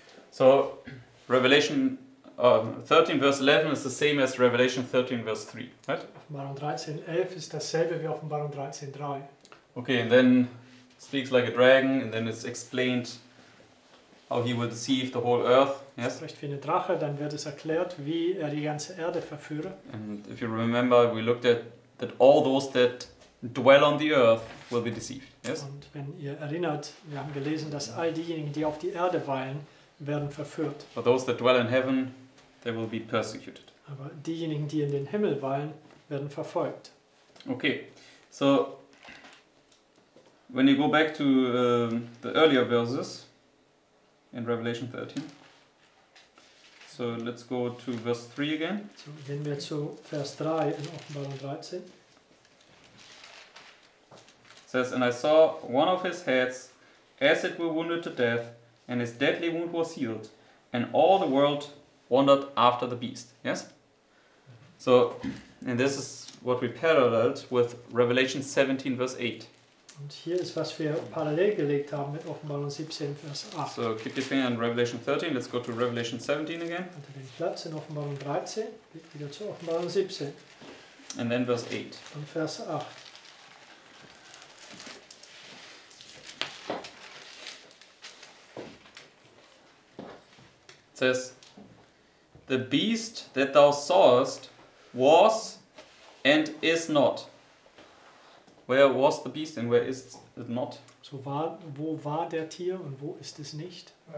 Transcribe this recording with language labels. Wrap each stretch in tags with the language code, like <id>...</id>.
<en>So Revelation 13 verse 11 is the same as Revelation 13 verse 3, right?</en> <de>Offenbarung 13, 11 ist dasselbe wie Offenbarung 13, 3.</de> <en>Okay, and then speaks like a dragon, and then it's explained how he will deceive the whole earth. Yes.</en> <de>Spricht wie eine Drache, dann wird es erklärt, wie er die ganze Erde verführe.</de> <en>And if you remember, we looked at that all those that dwell on the earth will be deceived. Yes.</en> <de>Und wenn ihr erinnert, wir haben gelesen, dass all diejenigen, die auf die Erde weilen, werden verführt.</de> <en>But those that dwell in heaven, they will be persecuted.</en> <de>Aber diejenigen, die in den Himmel weilen, werden verfolgt.</de> <en>Okay, so when you go back to the earlier verses in Revelation 13. So let's go to verse 3 again.</en> <de>So gehen wir zu Vers 3 in Offenbarung 13.</de> <en>It says, and I saw one of his heads as it were wounded to death, and his deadly wound was healed, and all the world wandered after the beast. Yes? So, and this is what we paralleled with Revelation 17, verse 8.</en> <de>Und hier ist, was wir parallel gelegt haben mit Offenbarung 17, Vers 8.</de> <en>So, keep your finger in Revelation 13, let's go to Revelation 17 again.</en> <de>Unter den Platz in Offenbarung 13, geht wieder zu Offenbarung 17.</de> <en>And then verse 8.</en> <de>Und Vers 8.</de> <en>It says, the beast that thou sawest was and is not. Where was the beast and where is it not?</en> <de>So war, wo war der Tier und wo ist es nicht?</de>